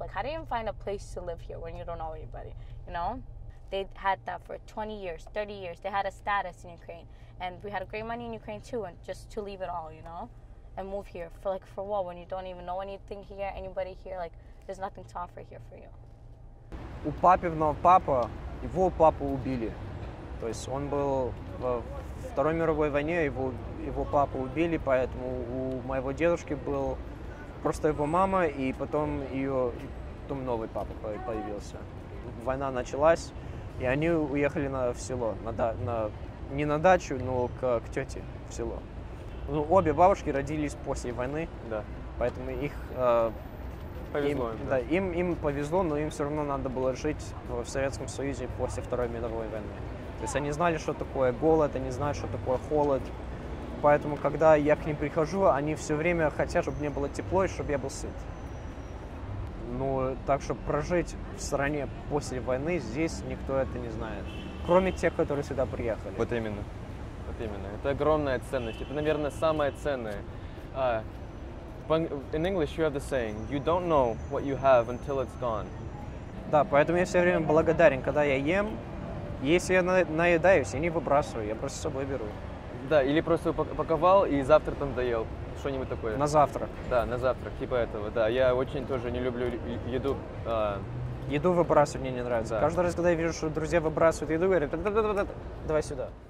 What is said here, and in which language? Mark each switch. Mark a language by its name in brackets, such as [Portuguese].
[English] Like, how do you even find a place to live here when you don't know anybody, you know? They had that for 20 years, 30 years. They had a status in Ukraine. And we had great money in Ukraine, too, and just to leave it all, you know, and move here for, like, for what? When you don't even know anything here, anybody here, like, there's nothing to offer here for you. [Russian] У папівного папа, його папу убили. То есть он был во Второй мировой войне, его папу убили, поэтому у моего дедушки был просто его мама, и потом потом новый папа появился. Война началась, и они уехали в село, не на дачу, но к тете в село. Ну, обе бабушки родились после войны, да. Поэтому их... Повезло им, да. Да, им повезло, но им все равно надо было жить в Советском Союзе после Второй мировой войны. То есть они знали, что такое голод, они знали, что такое холод. Поэтому, когда я к ним прихожу, они все время хотят, чтобы мне было тепло и чтобы я был сыт. Ну, так что прожить в стране после войны, здесь никто это не знает. кроме тех, которые сюда приехали. Вот именно. Вот именно. Это огромная ценность. Это, наверное, самое ценное. [English] In English, you have the saying, you don't know what you have until it's gone. [Russian] Да, поэтому я все время благодарен, когда я ем. Если я наедаюсь, я не выбрасываю, я просто с собой беру. Да, или просто упаковал и завтра там доел. Что-нибудь такое. На завтрак. Да, на завтрак, типа этого, да. Я очень тоже не люблю еду. Еду выбрасывать мне не нравится. Да. Каждый раз, когда я вижу, что друзья выбрасывают еду, говорят, давай сюда.